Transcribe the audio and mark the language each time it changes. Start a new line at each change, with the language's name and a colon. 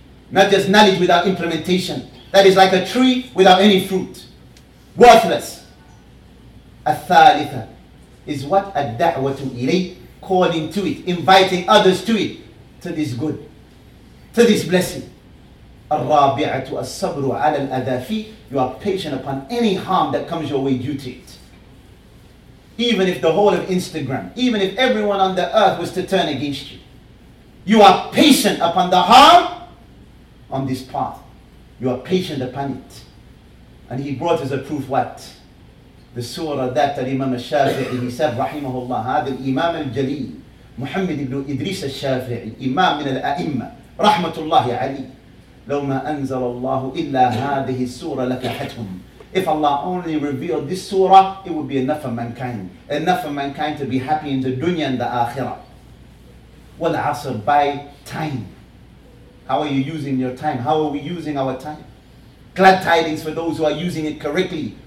English: Not just knowledge without implementation. That is like a tree without any fruit. Worthless. Al-thalitha is what? A da'wah to ilayh. Calling to it, inviting others to it, to this good, to this blessing.
Arabic: الرابعة الصبر على الأذافي.
English: You are patient upon any harm that comes your way due to it. Even if the whole of Instagram, even if everyone on the earth was to turn against you, you are patient upon the harm on this path. You are patient upon it. And he brought us a proof, what? The surah that Imam al-Shafi'i, he said, Rahimahullah,
Arabic: هذا الإمام الجليل محمد بن إدريس الشافعي إمام من الأئمة رحمة الله عليه. لو ما أنزل الله إلا هذه السورة لكحتهم.
English: If Allah only revealed this surah, it would be enough for mankind. Enough for mankind to be happy in the dunya and the akhirah. والعصر, by time. How are you using your time? How are we using our time? Glad tidings for those who are using it correctly.